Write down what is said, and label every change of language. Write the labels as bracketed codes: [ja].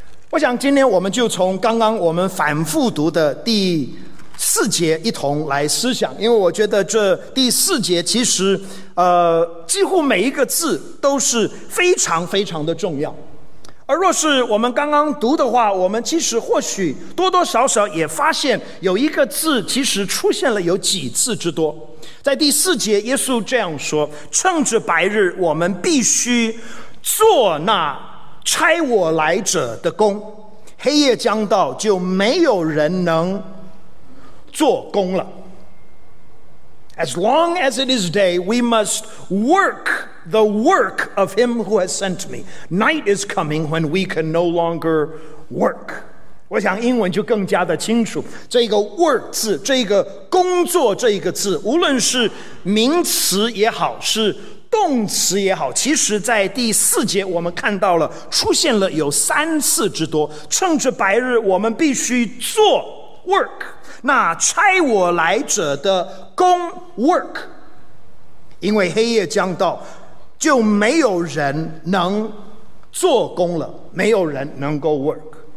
[zh] 我想今天我们就从刚刚我们反复读的第4节一同来思想，因为我觉得这第四节其实几乎每一个字都是非常非常的重要，而若是我们刚刚读的话，我们其实或许多多少少也发现有一个字其实出现了有几次之多。在第四节耶稣这样说，趁着白日我们必须做那差我来者的工，黑夜将到就没有人能做工了。 [en] As long as it is day, we must work the work of him who has sent me. Night is coming when we can no longer work. [zh] 我想英文就更加的清楚，这个 work 字，这个工作这个字，无论是名词也好，是动词也好，其实在第四节我们看到了出现了有3次之多，趁着白日我们必须做 work，那差我来者的工 work， 因为黑夜将到就没有人能做工了，没有人能够 work。